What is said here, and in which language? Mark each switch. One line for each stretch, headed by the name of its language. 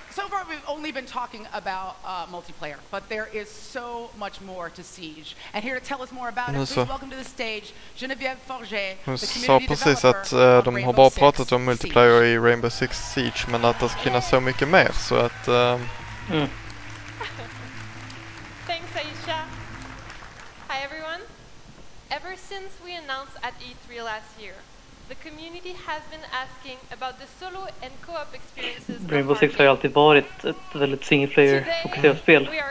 English: So far we've only been talking about multiplayer, but there is so much more to Siege. And here to tell us more about it, please welcome to the stage Genevieve Forget, the community developer.
Swedish: Så precis att de har bara pratat om multiplayer i Rainbow Six Siege, men att det ska finnas så mycket mer, så att
English: Thanks, Aisha. Hi everyone. Ever since we announced at E3 last year, the community has been asking about the solo and co-op experiences.
Swedish: Rainbow Six har alltid varit ett väldigt single-player fokuserat spel.